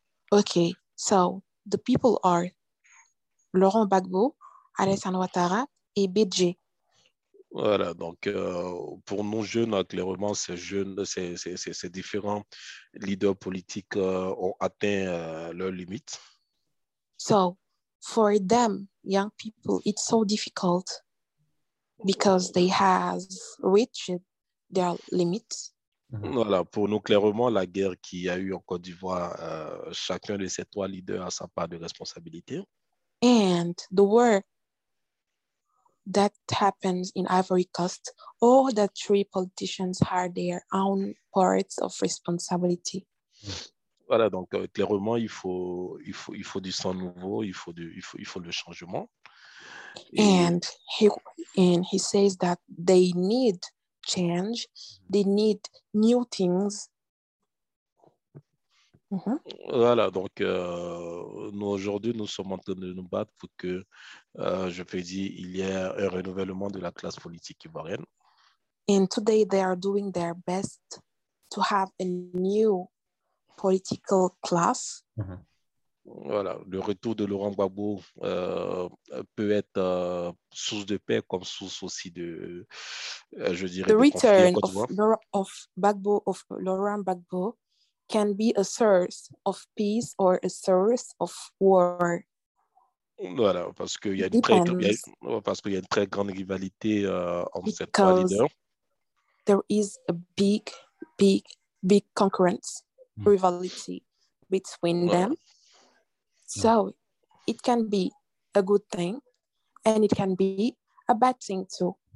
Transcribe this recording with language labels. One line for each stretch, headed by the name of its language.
English: OK. So, the people are Laurent Gbagbo, Alassane Ouattara et Bédié.
French: Voilà, donc pour nous jeunes, clairement, ces jeunes, ces différents leaders politiques ont atteint leurs limites.
English: So, for them, young people, it's so difficult because they have reached their limits.
French: Voilà, pour nous, clairement, la guerre qu'il y a eu en Côte d'Ivoire, chacun de ces trois leaders a sa part de responsabilité.
English: And the war that happens in Ivory Coast, all the three politicians have their own parts of responsibility.
French: Voilà, donc clairement, il faut du sang nouveau, il faut le changement.
English: And he says that they need change, they need new things. Mm-hmm.
French: Voilà, donc nous aujourd'hui, nous sommes en train de nous battre pour que, je peux dire, il y ait un renouvellement de la classe politique ivoirienne.
English: And today they are doing their best to have a new political class. Mm-hmm.
French: Voilà, le retour de Laurent Gbagbo peut être source de paix comme source aussi de, je dirais,
English: the return of Gbagbo, of Laurent Gbagbo, can be a source of peace or a source of war.
French: Voilà, parce qu'il y a une très grande rivalité entre ces trois leaders.
English: Because there is a big concurrence, rivalry between them. So it can be a good thing and it can be a bad thing too.